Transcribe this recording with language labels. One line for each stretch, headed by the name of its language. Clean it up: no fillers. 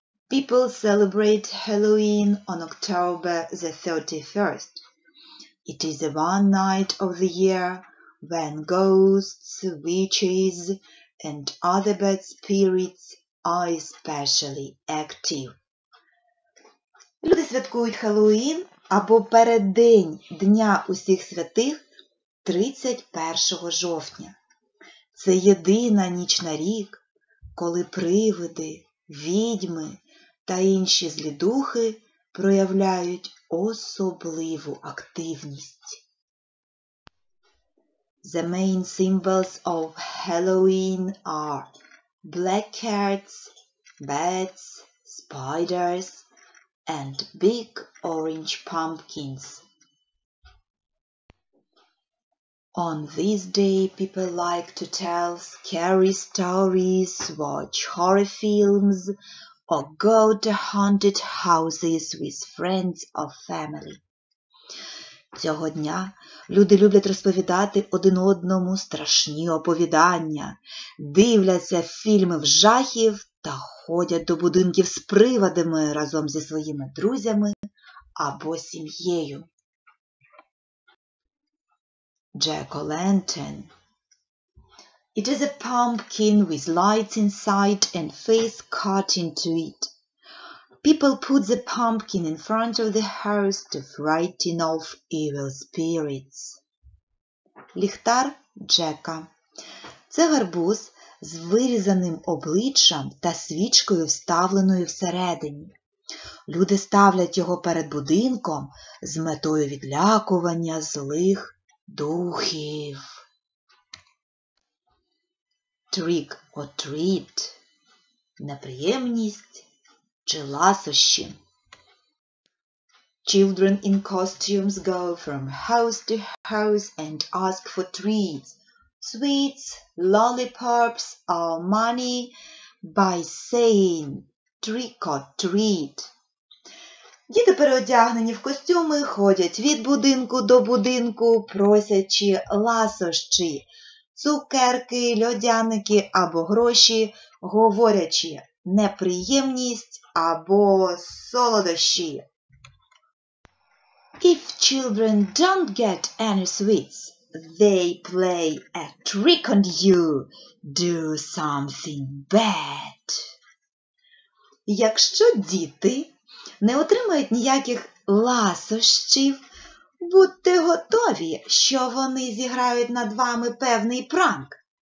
English: People celebrate Halloween on October the 31st. It is the one night of the year when ghosts, witches, and other bad spirits are especially active.
Ukrainian: Люди святкують Хеллоуін або переддень Дня усіх святих 31 жовтня. Це єдина ніч на рік, коли привиди, відьми та інші злі духи проявляють особливу активність.
English: The main symbols of Halloween are black cats, bats, spiders, and big orange pumpkins. On this day, people like to tell scary stories, watch horror films, or go to haunted houses with friends or family.
Ukrainian: Цього дня люди люблять розповідати один одному страшні оповідання, дивляться фільми жахів та ходять до будинків з привидами разом зі своїми друзями або сім'єю.
English: Jack-o'-lantern. It is a pumpkin with lights inside and face cut into it. People put the pumpkin in front of the house to frighten off evil spirits.
Ukrainian: Ліхтар Джека. Це гарбуз з вирізаним обличчям та свічкою, вставленою всередині. Люди ставлять його перед будинком з метою відлякування злих духів.
English: Trick or treat
Ukrainian: – неприємність чи ласощі.
English: Children in costumes go from house to house and ask for treats, sweets, lollipops or money by saying trick or treat.
Ukrainian: Діти, переодягнені в костюми, ходять від будинку до будинку, просячи ласощі – цукерки, льодяники або гроші, говорячи неприємність або солодощі.
English: If children don't get any sweets, they play a trick on you. Do something bad.
Ukrainian: Якщо діти не отримають ніяких ласощів, будьте готові, що вони зіграють над вами певний пранк.